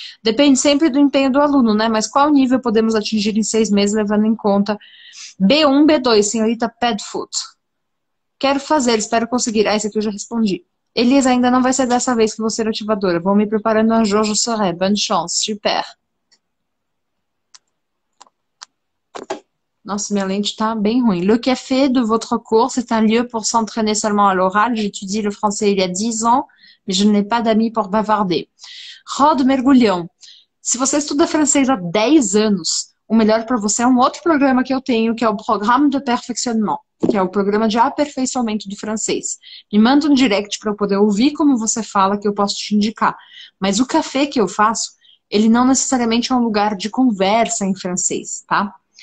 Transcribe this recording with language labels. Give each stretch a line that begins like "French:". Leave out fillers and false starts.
Portuguese: Depende sempre do empenho do aluno, né? Mas qual nível podemos atingir em 6 meses, levando em conta B1, B2, senhorita Padfoot? Quero fazer, espero conseguir. Ah, esse aqui eu já respondi. Elisa, ainda não vai ser dessa vez que vou ser ativadora. Vou me preparando a Jojo Soré.
French: Bonne chance,
Portuguese: te perdoe. Nossa, minha lente tá bem ruim.
French: Le café de votre cours est un lieu pour s'entraîner seulement à l'oral. J'étudie le français il y a 10 ans, mais je n'ai pas d'amis pour bavarder.
Portuguese: Rod Mergulhão, se você estuda francês há 10 anos, o melhor para você é um outro programa que eu tenho, que é o Programme de Perfectionnement, que é o programa de aperfeiçoamento do francês. Me manda um direct para eu poder ouvir como você fala, que eu posso te indicar. Mas o café que eu faço, ele não necessariamente é um lugar de conversa em francês, tá?